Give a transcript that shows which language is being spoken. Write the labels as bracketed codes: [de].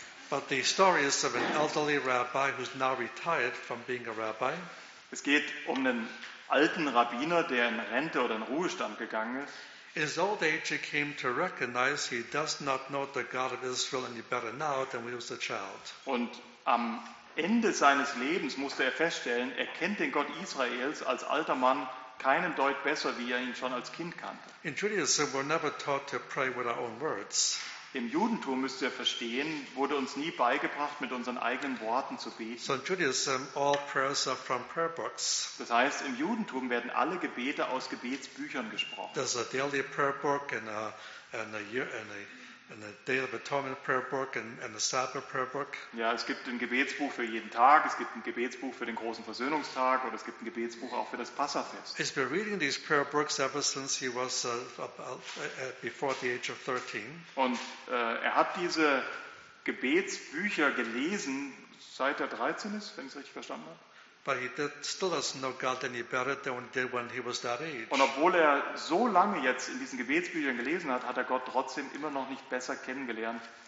[en] But the story is of an elderly rabbi who's now retired from being a rabbi. [de] Es geht um einen alten Rabbiner, der in Rente oder in Ruhestand gegangen ist. [en] In his old age he came to recognize he does not know the God of Israel any better now than when he was a child. [de] Und am Ende seines Lebens musste er feststellen, er kennt den Gott Israels als alter Mann keinen Deut besser, wie er ihn schon als Kind kannte. [en] In Judaism we're never taught to pray with our own words. [de] Im Judentum, müsst ihr verstehen, wurde uns nie beigebracht, mit unseren eigenen Worten zu beten. [en] So in Judaism, all prayers are from prayer books. [de] Das heißt, im Judentum werden alle Gebete aus Gebetsbüchern gesprochen. [en] There's a daily prayer book and a daily atonement prayer book and a Sabbath prayer book. [de] Ja, es gibt ein Gebetsbuch für jeden Tag, es gibt ein Gebetsbuch für den großen Versöhnungstag oder es gibt ein Gebetsbuch auch für das Passafest. [en] He's been reading these prayer books ever since he was before the age of 13. [de] Und er hat diese Gebetsbücher gelesen, seit er 13 ist, wenn ich es richtig verstanden habe. [en] But he still doesn't know God any better than he did when he was that age. [de] Und obwohl er so lange jetzt in diesen Gebetsbüchern gelesen hat, hat er Gott trotzdem immer noch nicht besser kennengelernt.